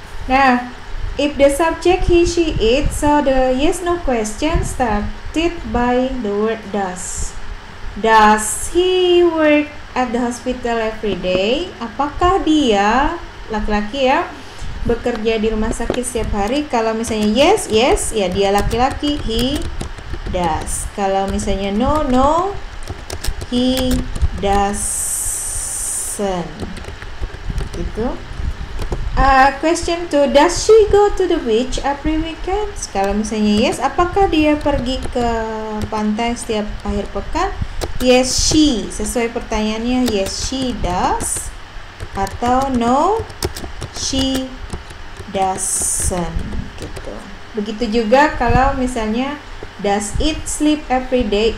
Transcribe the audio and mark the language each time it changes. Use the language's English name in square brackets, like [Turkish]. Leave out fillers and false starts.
[English] Nah, if the subject he, she, it, so the yes, no question started by the word does. Does he work at the hospital every day? [Indonesian] Apakah dia, laki-laki ya, bekerja di rumah sakit setiap hari? Kalau misalnya yes, yes, ya dia laki-laki, [English] he does. [Indonesian] Kalau misalnya [English] no, no, he does person. Gitu. Question two, does she go to the beach every weekend? [Indonesian] Kalau misalnya yes, apakah dia pergi ke pantai setiap akhir pekan? [English] Yes, she. [Indonesian] Sesuai pertanyaannya, [English] yes, she does. Atau no, she doesn't. Gitu. [Indonesian] Begitu juga kalau misalnya [English] does it sleep every day?